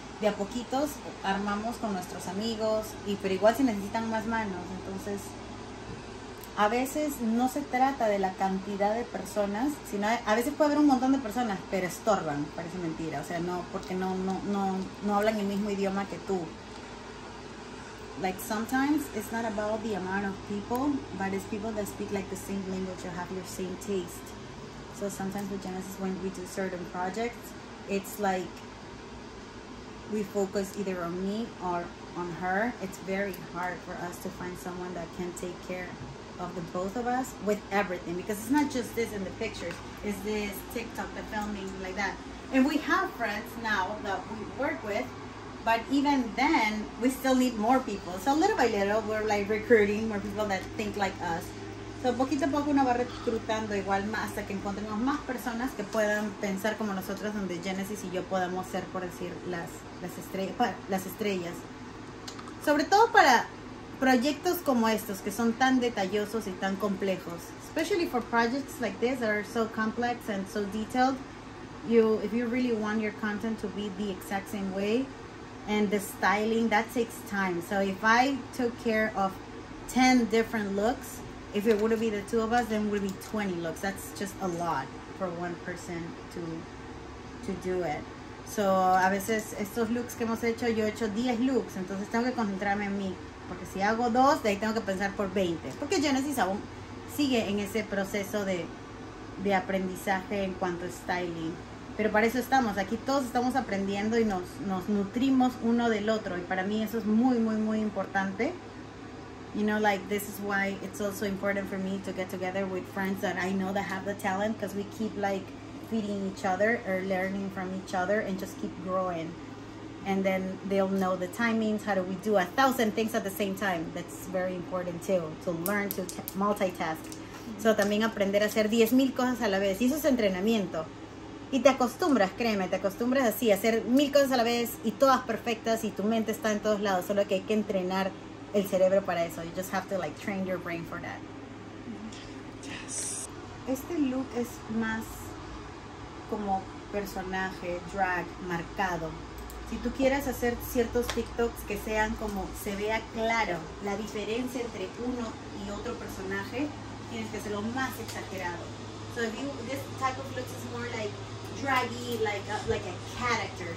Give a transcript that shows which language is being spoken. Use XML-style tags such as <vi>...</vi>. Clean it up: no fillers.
<es>de a poquitos armamos con nuestros amigos, y pero igual se necesitan más manos. Entonces, a veces no se trata de la cantidad de personas, sino a veces puede haber un montón de personas, pero estorban, parece mentira. O sea, no, porque no hablan el mismo idioma que tú.</es> <en>Like, sometimes it's not about the amount of people, but it's people that speak like the same language or have your same taste. So sometimes with Genesis, when we do certain projects, it's like we focus either on me or on her. It's very hard for us to find someone that can take care of the both of us with everything, because it's not just this in the pictures, it's this TikTok, the filming, like that. And we have friends now that we work with, but even then we still need more people. So little by little we're like recruiting more people that think like us.</en> <es>So poquito a poco uno va reclutando igual más, hasta que encontremos más personas que puedan pensar como nosotros, donde Genesis y yo podamos ser, por decir, las estrellas, sobre todo para proyectos como estos que son tan detallosos y tan complejos.</es> <en>Especially for projects like this that are so complex and so detailed, if you really want your content to be the exact same way and the styling, that takes time. So if I took care of 10 different looks, if it would be the two of us, then it would be 20 looks. That's just a lot for one person to do it.</en> <es>So a veces estos looks que hemos hecho, yo he hecho 10 looks, entonces tengo que concentrarme en mí. Porque si hago dos, de ahí tengo que pensar por 20. Porque Genesis aún sigue en ese proceso de aprendizaje en cuanto a styling. Pero para eso estamos. Aquí todos estamos aprendiendo y nos nutrimos uno del otro. Y para mí eso es muy, muy, muy importante.</es> <en>You know, like, this is why it's also important for me to get together with friends that I know that have the talent. Because we keep, like, feeding each other or learning from each other and just keep growing. And then they'll know the timings, how do we do 1,000 things at the same time. That's very important too, to learn to multitask. Mm-hmm.</en> <es>So también aprender a hacer 10,000 cosas a la vez. Y eso es entrenamiento. Y te acostumbras, créeme, te acostumbras así, a hacer 1,000 cosas a la vez y todas perfectas y tu mente está en todos lados. Solo que hay que entrenar el cerebro para eso.</es> <en>You just have to like train your brain for that. Mm-hmm. Yes.</en> <es>Este look es más como personaje, drag, marcado. Si tú quieres hacer ciertos TikToks que sean como, se vea claro la diferencia entre uno y otro personaje, tienes que hacerlo más exagerado.</es> <en>So if you, this type of looks is more like draggy, like a character.</en>